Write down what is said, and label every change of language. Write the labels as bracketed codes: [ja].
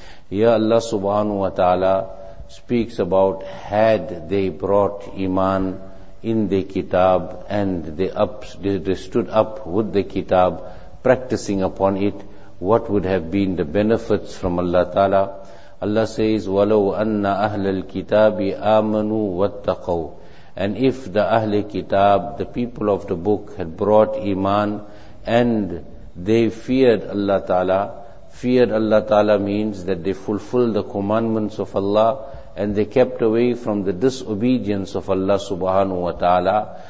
[en] Here Allah subhanahu wa ta'ala speaks about had they brought iman in the kitab and they stood up with the kitab, practicing upon it, what would have been the benefits from Allah Ta'ala? Allah says, [ar] وَلَوْ أَنَّ أَهْلَ الْكِتَابِ آمَنُوا وَاتَّقَوْا. [en] And if the Ahle Kitab, the people of the book, had brought iman and they feared Allah Ta'ala. Feared Allah Ta'ala means that they fulfilled the commandments of Allah and they kept away from the disobedience of Allah Subhanahu wa Ta'ala.